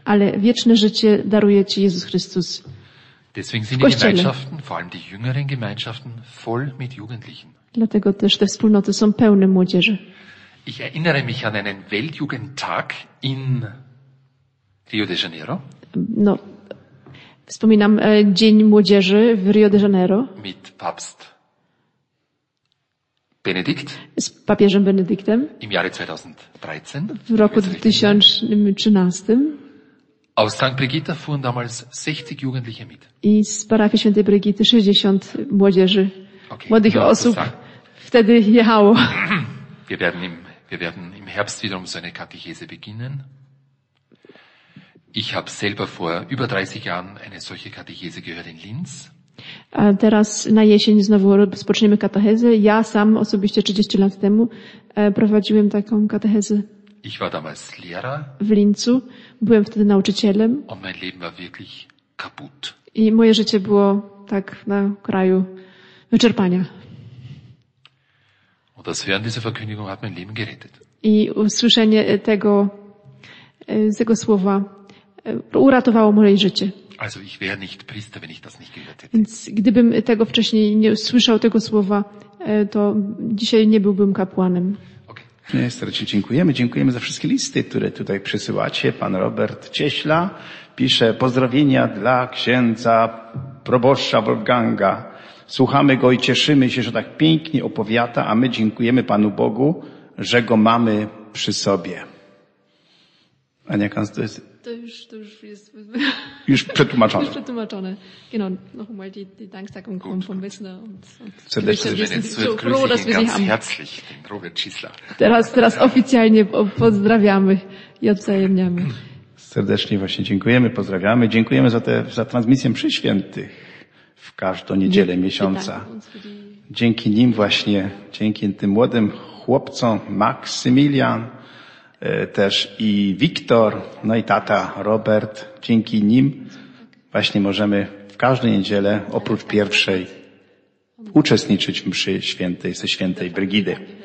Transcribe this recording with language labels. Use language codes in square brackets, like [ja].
[pl] Ale wieczne życie daruje ci Jezus Chrystus. [de] Deswegen sind die Gemeinschaften, vor allem die jüngeren Gemeinschaften, voll mit Jugendlichen. [pl] Dlatego też te wspólnoty są pełne młodzieży. [de] Ich erinnere mich an einen Weltjugendtag in Rio de Janeiro. [pl] No, wspominam Dzień Młodzieży w Rio de Janeiro. [de] Mit Papst Benedikt. [pl] Z papieżem Benedyktem. [de] Im Jahre 2013. [pl] W roku 2013. [de] Aus St. Brigitta fuhren damals 60 Jugendliche mit. [pl] I z parafii Świętej Brigitty 60 młodzieży, okay, młodych no, osób wtedy jechało. [de] Wir werden im Herbst wiederum so eine Katechese beginnen. Ich habe selber vor über 30 Jahren eine solche Katechese gehört in Linz. [pl] A teraz na jesień znowu rozpoczniemy katechezę. Ja sam osobiście 30 lat temu prowadziłem taką katechezę. [de] Ich war damals Lehrer. [pl] W Linzu. Byłem wtedy nauczycielem. [de] Und mein Leben war wirklich kaputt. [pl] I moje życie było tak na kraju wyczerpania. [de] Und das Hören dieser Verkündigung hat mein Leben gerettet. [pl] I usłyszenie tego, tego słowa uratowało moje życie. [de] Also ich wäre nicht Priester, wenn ich das nicht gehört hätte. [pl] Więc gdybym tego wcześniej nie usłyszał tego słowa, to dzisiaj nie byłbym kapłanem. Serdecznie dziękujemy. Dziękujemy za wszystkie listy, które tutaj przysyłacie. Pan Robert Cieśla pisze: pozdrowienia dla księdza proboszcza Wolfganga. Słuchamy go i cieszymy się, że tak pięknie opowiada, a my dziękujemy Panu Bogu, że go mamy przy sobie. Ania Kans, to jest... To już jest... Już przetłumaczone. Już przetłumaczone. [de] Genau, nochmal die Danksagung vom Wissner. [pl] Serdecznie [de] grüße ihn ganz herzlich, den Robert Cieśla. [pl] Teraz oficjalnie pozdrawiamy i odwzajemniamy. Serdecznie właśnie dziękujemy, pozdrawiamy. Dziękujemy za transmisję przy świętych w każdą niedzielę miesiąca. Dzięki nim właśnie, dzięki tym młodym chłopcom, Maksymilian, też i Wiktor, no i tata Robert, dzięki nim właśnie możemy w każdą niedzielę, oprócz pierwszej, uczestniczyć przy świętej, ze świętej Brygidy.